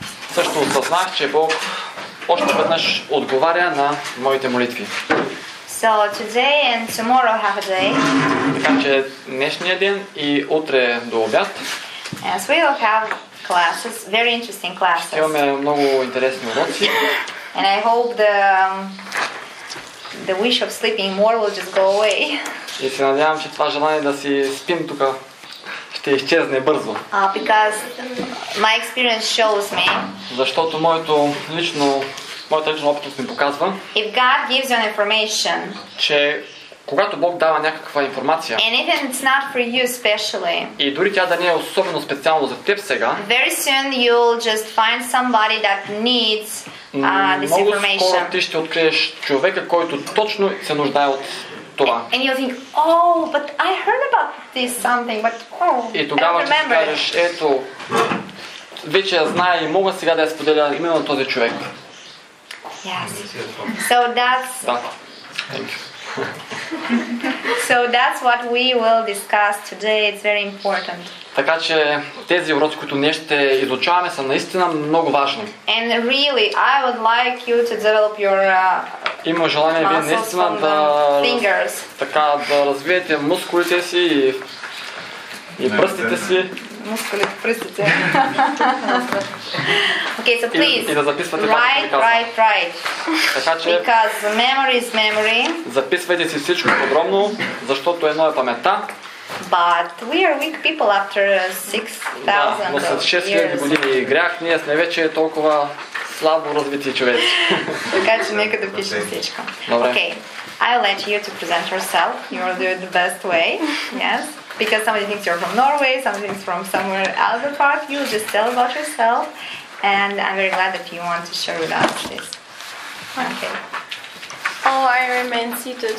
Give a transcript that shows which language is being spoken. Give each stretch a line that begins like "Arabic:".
Bulgarian: Всъщност осъзнах, че Бог още веднъж отговаря на моите молитви.
English: So today and tomorrow half a day.
Bulgarian: Така че днешния ден и утре до обяд.
English: As we will have classes, very interesting classes.
Bulgarian: Ще имаме много интересни уроци.
English: And I hope the wish of sleeping more will just go away.
Bulgarian: И се надявам, че това желание да си спим тук ще изчезне бързо.
English: Because my experience shows me.
Bulgarian: Защото моята лична опитност ми показва.
English: If God gives you an information.
Bulgarian: Че когато Бог дава някаква информация.
English: And even it's not for you specially.
Bulgarian: И дори тя да не е особено специално за теб сега.
English: Very soon you'll just find somebody that needs this information.
Bulgarian: Много скоро ти ще откриеш човека, който точно се нуждае от това.
English: And you'll think, oh, but I heard about this something, but oh.
Bulgarian: И тогава ще си кажеш, ето, вече я знае и мога сега да я споделя именно този човек.
English: Yes. So that's. Да. Thank you. So that's what we will discuss today. It's very important.
Bulgarian: Така че тези уроци, които ние ще изучаваме, са наистина много важни.
English: And really, I would like you to develop your
Bulgarian: има желание вие наистина да
English: fingers.
Bulgarian: Така да развиете мускулите си и пръстите си. Мускулите, пръстите.
English: Okay, so please.
Bulgarian: И да записвате
English: right.
Bulgarian: Така че
English: because memory is memory.
Bulgarian: Записвайте си всичко подробно, защото едно е паметта.
English: But we are weak people after 6000
Bulgarian: years. Да, но с 6000 години грях, ние сме вече толкова слабо развити човеки. Така че нека да пишем всичко. Добре.
English: Okay, I'll let you to present yourself. You will do it the best way. Yes. Because somebody thinks you're from Norway, somebody thinks from somewhere else apart, you just tell about yourself. And I'm very glad that you want to share with us this. Okay. Oh, I remain seated.